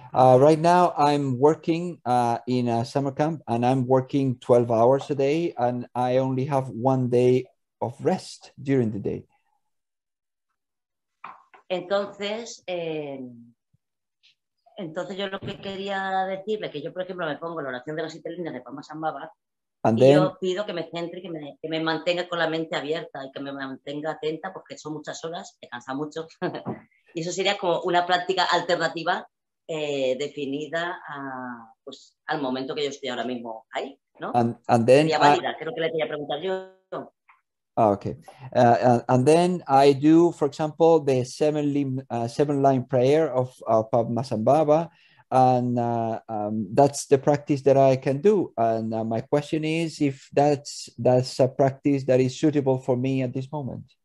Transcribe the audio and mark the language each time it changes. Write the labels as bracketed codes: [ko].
[en] Right now, I'm working in a summer camp and I'm working 12 hours a day and I only have one day of rest during the day. [es] Entonces, entonces yo lo que quería decirle que yo, por ejemplo, me pongo la oración de las siete líneas de Pamasambhava y yo pido que me centre y que me mantenga con la mente abierta y que me mantenga atenta porque son muchas horas, me cansa mucho. Y eso sería como una práctica alternativa definida al momento que yo estoy ahora mismo ahí, ¿no? Sería válida, creo que le quería preguntar yo. [en] Oh, okay, and then I do, for example, the seven-line prayer of Padmasambhava, and that's the practice that I can do. And my question is if that's a practice that is suitable for me at this moment.